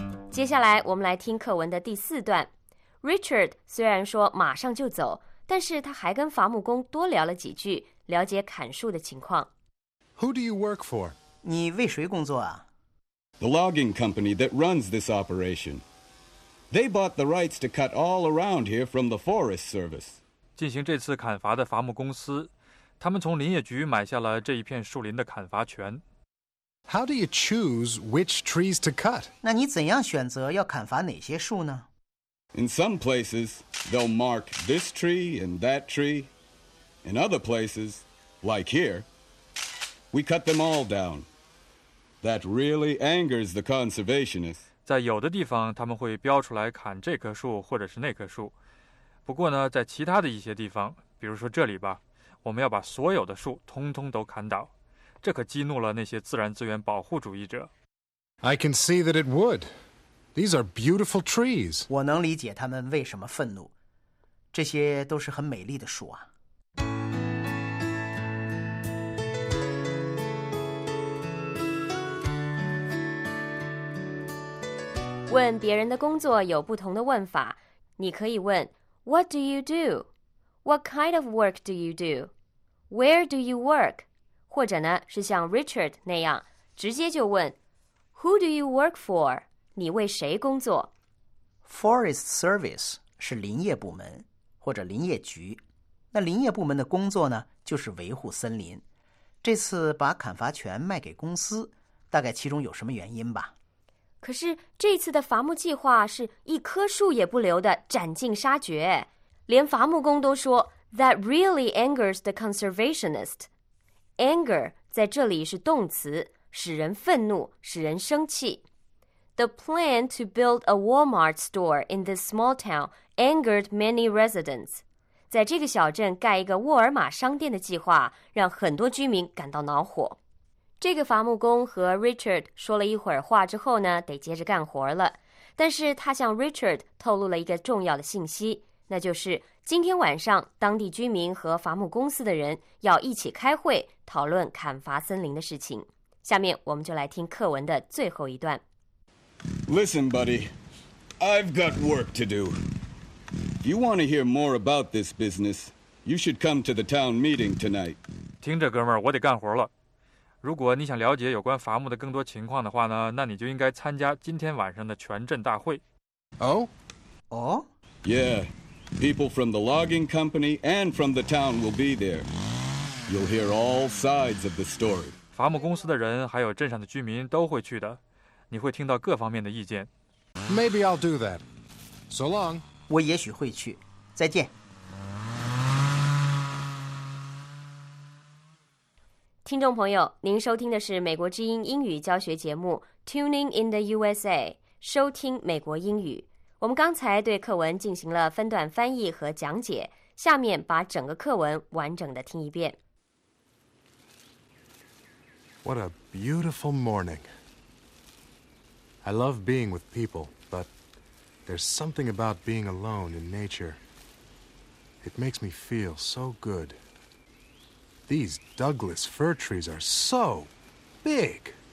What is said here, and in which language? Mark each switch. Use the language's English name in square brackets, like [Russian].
[Chinese] 接下来我们来听课文的第四段。Richard 虽然说马上就走，但是他还跟伐木工多聊了几句，了解砍树的情况。 [English] Who do you work for? [Chinese] 你为谁工作啊？ [English] The logging company that runs this operation. They bought the rights to cut all around here from the Forest Service. [Chinese] 进行这次砍伐的伐木公司，他们从林业局买下了这一片树林的砍伐权。 [English] How do you choose which trees to cut? [Chinese] 那你怎样选择要砍伐哪些树呢？ [English] In some places, they'll mark this tree and that tree. In other places, like here, we cut them all down. That really angers the conservationists. [Chinese] 在有的地方，他们会标出来砍这棵树或者是那棵树。不过呢，在其他的一些地方，比如说这里吧，我们要把所有的树通通都砍倒。这可激怒了那些自然资源保护主义者。 [English] I can see that it would. These are beautiful trees. [Chinese] 我能理解他们为什么愤怒。这些都是很美丽的树啊。问别人的工作有不同的问法。你可以问 [English] What do you do? What kind of work do you do? Where do you work? [Chinese] 或者呢，是像 Richard 那样，直接就问 [English] Who do you work for? [Chinese] 你为谁工作？ Forest Service 是林业部门，或者林业局。那林业部门的工作呢，就是维护森林。这次把砍伐权卖给公司，大概其中有什么原因吧。可是这次的伐木计划是一棵树也不留的斩尽杀绝，连伐木工都说 [English] That really angers the conservationist。 [Chinese] Anger 在这里是动词，使人愤怒，使人生气。 [English] The plan to build a Walmart store in this small town angered many residents. [Chinese] 在这个小镇盖一个沃尔玛商店的计划让很多居民感到恼火。这个伐木工和 Richard 说了一会儿话之后呢，得接着干活了。但是他向 Richard 透露了一个重要的信息，那就是今天晚上当地居民和伐木公司的人要一起开会讨论砍伐森林的事情。下面我们就来听课文的最后一段。 [English] Listen, buddy, I've got work to do. If you want to hear more about this business, you should come to the town meeting tonight. [Chinese] 听着，哥们儿，我得干活了。如果你想了解有关伐木的更多情况的话呢，那你就应该参加今天晚上的全镇大会。 [English] Yeah, people from the logging company and from the town will be there. You'll hear all sides of the story. [Chinese] 伐木公司的人还有镇上的居民都会去的，你会听到各方面的意见。 [English] Maybe I'll do that. So long. [Chinese] 我也许会去。再见。听众朋友，您收听的是美国之音英语教学节目 Tuning in the USA， 收听美国英语。我们刚才对课文进行了分段翻译和讲解，下面把整个课文完整的听一遍。 [English] What a beautiful morning. I love being with people, but there's something about being alone in nature. It makes me feel so good. These Douglas fir trees are so big.